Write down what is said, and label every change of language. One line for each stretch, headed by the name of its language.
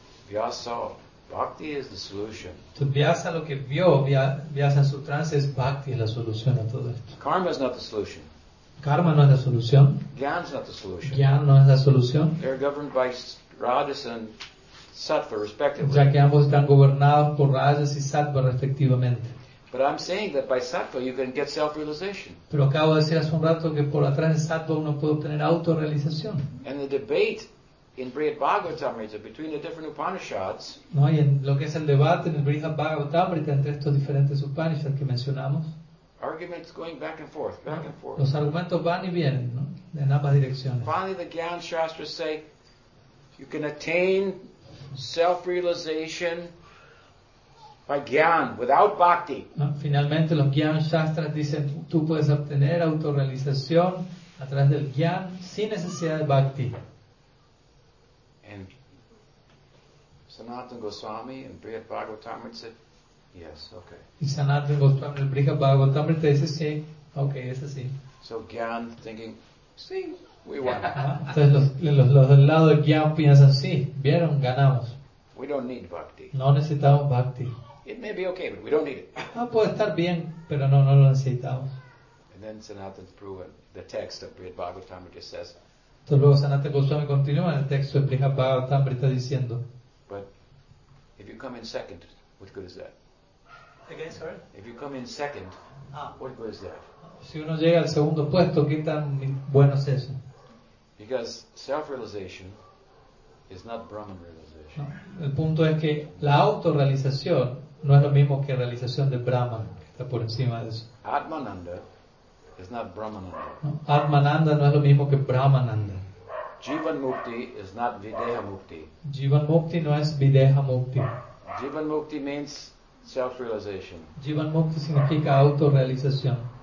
English: Vyasa, Bhakti is the solution.
Spanish: To Vyasa, lo que vio Vyasa en su trance es Bhakti la solución a todo esto.
English: Karma is not the solution.
Spanish: Karma no es la solución.
English: Gyan is not the solution.
Spanish: Gyan no es la solución.
English: They are governed by Rajas and Sattva respectively.
Spanish: Ya que ambos están gobernados por Rajas y Sattva respectivamente.
English: But I'm saying that by Sattva you can get self-realization.
Spanish: Pero acabo de decir hace un rato que por atrás de Sattva uno puede obtener autorrealización.
English: And the debate in Brihadbhagavatamrita between the different Upanishads.
Spanish: No, y en lo que es el debate en el Brihadbhagavatamrita entre estos diferentes Upanishads que mencionamos.
English: Arguments going back and forth, back and forth.
Spanish: Los argumentos van y vienen, ¿no? En ambas direcciones.
English: Finally, the Gyan Shastras say you can attain self-realization by Gyan without Bhakti.
Spanish: No, finalmente, los Gyan Shastras dicen tú puedes obtener autorrealización a través del Gyan sin necesidad de Bhakti.
English: And Sanatana Goswami and Brihadbhagavatamrita said, yes, okay.
Spanish: Y Sanatana Goswami and Brihadbhagavatamrita dice sí, okay, es así.
English: So Gyan thinking, sí, we won.
Spanish: Entonces los del lado de Gyan piensan sí, vieron, ganamos.
English: We don't need Bhakti.
Spanish: No necesitamos Bhakti.
English: It may be okay, but we don't need it.
Spanish: Ah, puede estar bien, pero no lo necesitamos.
English: And then Sanatana proven the text of Brihadbhagavatamrita says.
Spanish: Entonces luego Sanatana Goswami continúa en el texto de Brihadbhagavatamrita diciendo.
English: But if you come in second, what good is that? Again, sorry. If you come in second, what good is that?
Spanish: Si uno llega al segundo puesto, ¿qué tan bueno es eso?
English: Because self-realization is not Brahman realization.
Spanish: No. El punto es que la autorrealización no es lo mismo que realización de Brahman, que está por encima de eso.
English: Atmananda. It's not Brahmananda.
Spanish: No, Atmananda no es lo mismo que Brahmananda.
English: Jivan Mukti is not Videha Mukti.
Spanish: Jivan Mukti no es Videha Mukti.
English: Jivan Mukti means self-realization.
Spanish: Jivan Mukti significa autorrealización.